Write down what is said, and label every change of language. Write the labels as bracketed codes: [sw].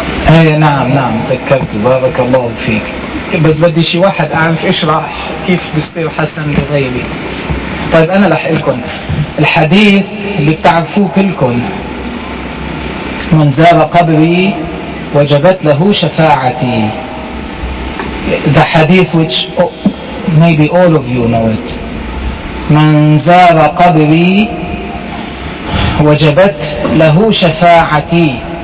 [ar] ايه نعم تذكرت، بارك الله فيك. بس بدي شي واحد اعرف اشرح كيف بيصير حسن لغيري. طيب انا لح لكم الحديث اللي بتعرفوه كلكم، من زار قبري وجبت له شفاعتي. [en] The hadith which maybe all of you know it. [ar] من زار قبري وجبت له شفاعتي.